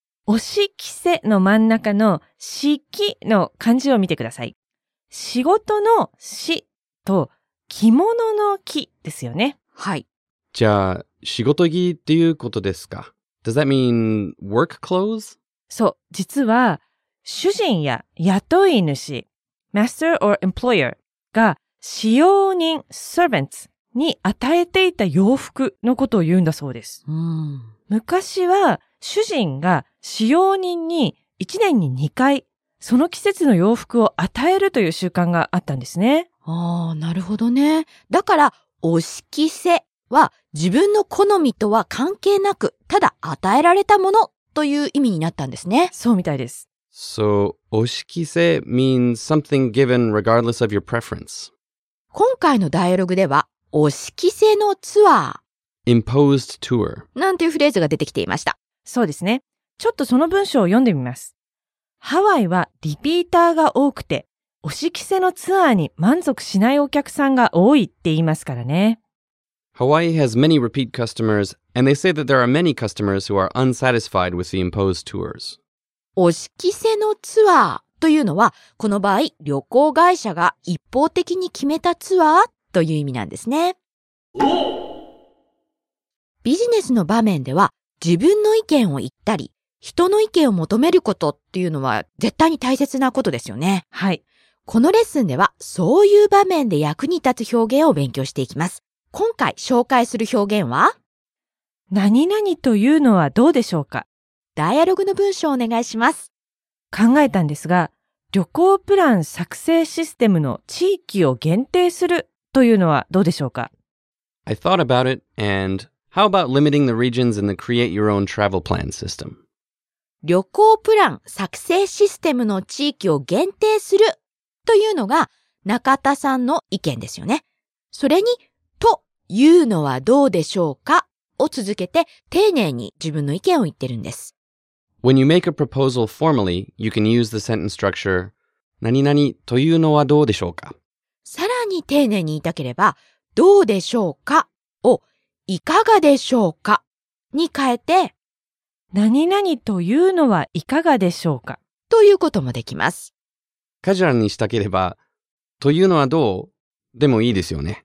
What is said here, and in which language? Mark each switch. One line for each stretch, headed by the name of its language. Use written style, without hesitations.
Japanese: 押し着せの真ん中の式の漢字を見てください。仕事の仕と着物の着ですよね。はい。じゃあ、仕事着っていうことですか？
English: Does that mean work clothes?
Japanese: そう、実は主人や雇い主、
English: master or employer
Japanese: が使用人、servants に与えていた洋服のことを言うんだそうです。うん、昔は主人が使用人に1年に2回その季節の洋服を与えるという習慣があったんですね。ああ、なるほどね。だから、押し着せは自分の好みとは関係なく、ただ与えられたものという意味になったんですね。そうみたいです。
English: So,
Japanese: 押し着せ
English: means something given regardless of your preference.
Japanese: 今回のダイアログでは、押し着せのツアー。
English: Imposed tour.
Japanese: なんていうフレーズが出てきていました。そうですね。ちょっとその文章を読んでみます。ハワイはリピーターが多くて、押し着せのツアーに満足しないお客さんが多いって言いますからね。
English: Hawaii has many repeat customers, and they say that there are many customers who are unsatisfied with the imposed tours.
Japanese: 押し着せのツアーというのは、この場合、旅行会社が一方的に決めたツアーという意味なんですね。ビジネスの場面では、自分の意見を言ったり、人の意見を求めることっていうのは絶対に大切なことですよね。はい。このレッスンでは、そういう場面で役に立つ表現を勉強していきます。今回紹介する表現は、何々というのはどうでしょうか？ダイアログの文章をお願いします。考えたんですが、旅行プラン作成システムの地域を限定するというのはどうでしょうか？
English: I thought about it, and how about limiting the regions in the create your own travel plan system?
Japanese: 旅行プラン作成システムの地域を限定するというのが中田さんの意見ですよね。それに、というのはどうでしょうかを続けて丁寧に自分の意見を言ってるんです。
English: When you make a proposal formally, you can use the sentence structure
Japanese: 何々というのはどうでしょうか。さらに丁寧に言いたければ、どうでしょうかをいかがでしょうかに変えて何々というのはいかがでしょうかということもできます。カジュアルにしたければ、というのはどうでもいいですよね。